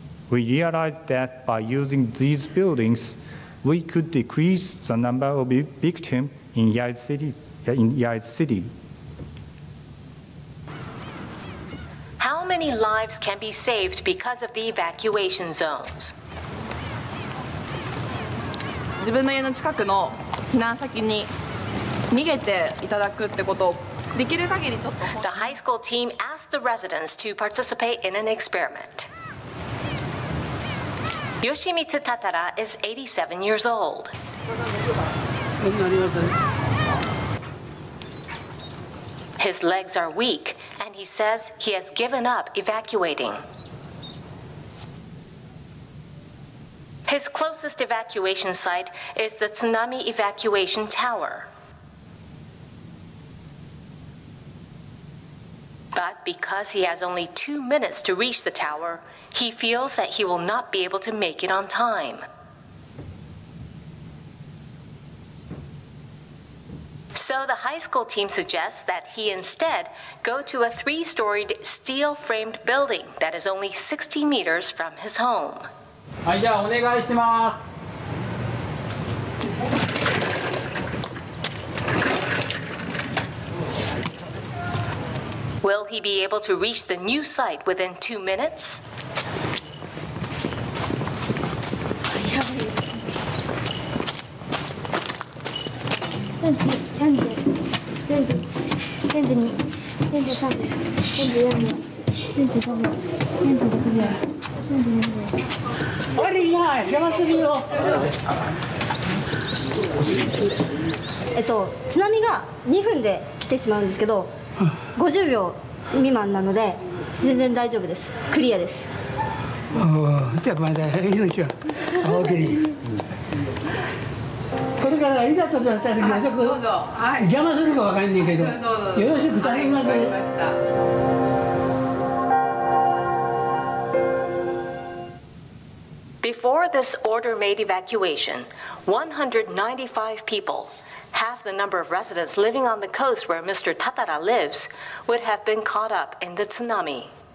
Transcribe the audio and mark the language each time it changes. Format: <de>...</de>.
<en>We realized that by using these buildings, we could decrease the number of victims in Yaiz City. How many lives can be saved because of the evacuation zones?</en> <ja>自分の家の近くの避難先に逃げていただくってことをできる限りちょっと。</ja> <en>The high school team asked the residents to participate in an experiment. Yoshimitsu Tatara is 87 years old. His legs are weak, and he says he has given up evacuating. His closest evacuation site is the tsunami evacuation tower. But because he has only 2 minutes to reach the tower,He feels that he will not be able to make it on time. So the high school team suggests that he instead go to a three-storied steel-framed building that is only 60 meters from his home.</en> <ja>はい、じゃあお願いします。</ja> <en>Will he be able to reach the new site within 2 minutes?</en> <ja>津波が2分で来てしまうんですけど50秒未満なので全然大丈夫ですクリアですじゃあまだ命は OK にこれからいざとなった時はちょっと邪魔するか分かんないけどよろしく頼みます</ja> <en>Before this order made evacuation, 195 people, half the number of residents living on the coast where Mr. Tatara lives, would have been caught up in the tsunami.</en>